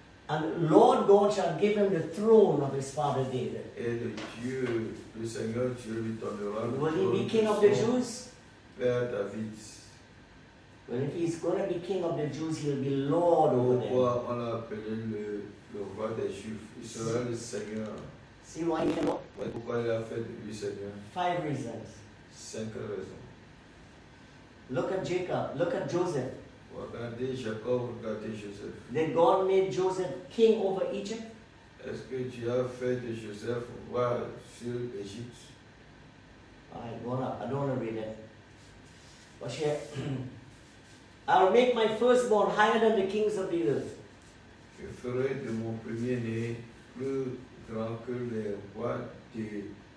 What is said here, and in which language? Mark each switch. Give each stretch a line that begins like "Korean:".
English: And Lord God shall give him the throne of his father David.
French: Et le Dieu, le Seigneur Dieu lui donnera le
English: Will he be king of the Jews?
French: Père David.
English: When he is going to be king of the Jews, he will be Lord over them.
French: Pourquoi on l'a appelé le roi des Juifs? Il sera le Seigneur.
English: See why he cannot?
French: Pourquoi il a fait de lui Seigneur?
English: Five reasons.
French: Cinq raisons.
English: Look at Jacob. Look at Joseph.
French: Regardez Jacob, regardez Joseph.
English: Did God made Joseph king over Egypt?
French: Est-ce que Dieu a fait de Joseph roi sur l'Égypte?
English: I don't want to read it. Watch here. I'll make my firstborn higher than the kings of the earth.
French: Je ferai de mon premier-né plus grand que les rois de...